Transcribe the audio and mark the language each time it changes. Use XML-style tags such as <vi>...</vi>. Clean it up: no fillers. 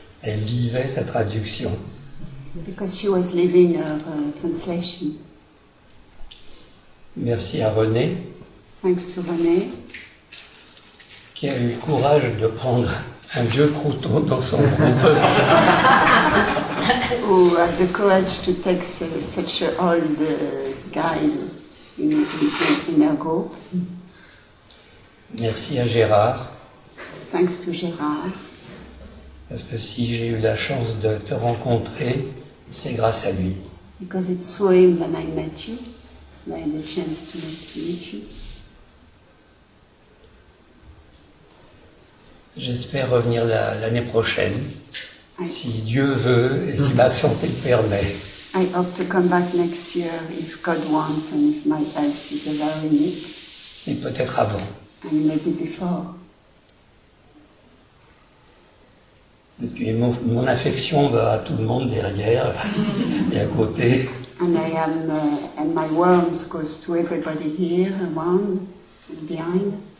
<fr>Elle vivait sa traduction.</fr> <en>Because she was living her translation.</en> <fr>Merci à René.</fr> <en>Thanks to René.</en> <fr>Qui a eu le courage de prendre un vieux crouton dans son groupe.</fr> <en>Who had the courage to take such an old guy in her group.</en> <fr>Merci à Gérard.</fr> <en>Thanks to Gérard.</en> <fr>Parce que si j'ai eu la chance de te rencontrer, c'est grâce à lui.</fr> <en>Because it's through him that I met you. I had the chance to meet you.</en> <fr>J'espère revenir l'année prochaine, si Dieu veut et si ma santé le permet.</fr> <en>I hope to come back next year if God wants and if my health is allowing it.</en> <fr>Et peut-être avant.</fr> <en>And maybe before.</en> <fr>Et puis mon affection va à tout le monde derrière et à côté.</fr> <en>And my warmth goes to everybody here, around, and behind.</en>